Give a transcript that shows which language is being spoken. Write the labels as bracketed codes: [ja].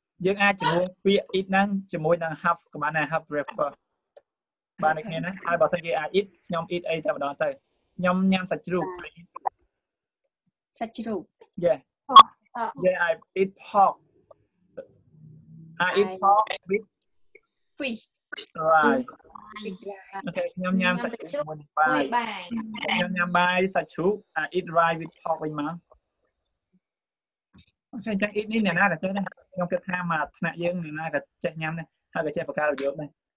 [km] យើងអាចជួងពាក្យ eat ហ្នឹងជាមួយនឹង have ក៏បានដែរ have breakfast បានដូចគ្នាណាហើយបើសិនជាអាច eat ខ្ញុំ eat អីតែម្ដងទៅខ្ញុំញ៉ាំសាច់ជ្រូក សាច់ជ្រូក [en] Yeah Yeah I eat pork I eat pork with fish [km] Right Okay ខ្ញុំញ៉ាំសាច់ជ្រូក បាយបាយ ខ្ញុំញ៉ាំបាយសាច់ជ្រូក [en] I eat rice with pork [km] វិញមកអញ្ចឹងចាក់ eat នេះអ្នកណាដែលចេះណាខ្ញុំគិតថាមកថ្នាក់យើងអ្នកណាក៏ចេះញ៉ាំដែរហើយក៏ចេះបកការរបៀបដែរ